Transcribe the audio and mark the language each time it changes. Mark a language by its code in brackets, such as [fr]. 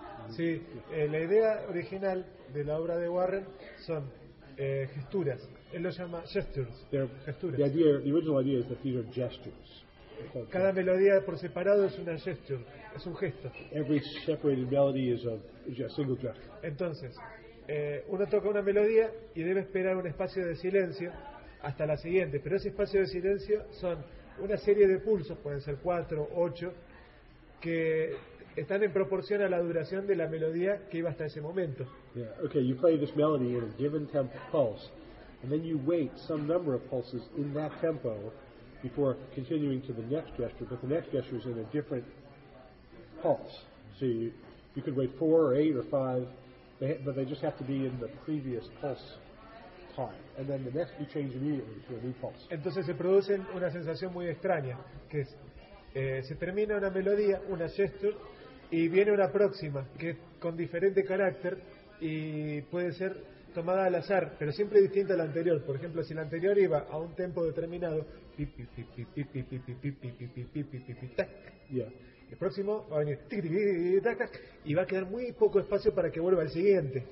[es] Sí, la idea original de la obra de Warren son gesturas. Él lo llama gestures. Gestures. [en] The original idea is that these are gestures. [es] Cada melodía por separado es una gesture, es un gesto. [en] Every separated melody is a single gesture. [es] Entonces, uno toca una melodía y debe esperar un espacio de silencio hasta la siguiente. Pero ese espacio de silencio son una serie de pulsos, pueden ser 4, 8, que están en proporción a la duración de la melodía que iba hasta ese momento. Yeah. [en] Okay, you play this melody in a given tempo pulse, and then you wait some number of pulses in that tempo before continuing to the next gesture, but the next gesture is in a different pulse. So you could wait 4 or 8 or 5, but they just have to be in the previous pulse time. And then the next, you change immediately to a new pulse. [es] Entonces se produce una sensación muy extraña, que es, se termina una melodía, una gesture, y viene una próxima, que es con diferente carácter, y puede ser tomada al azar, pero siempre distinta a la anterior. Por ejemplo, si la anterior iba a un tempo determinado, el próximo va a venir, y va a quedar muy poco espacio para que vuelva el siguiente.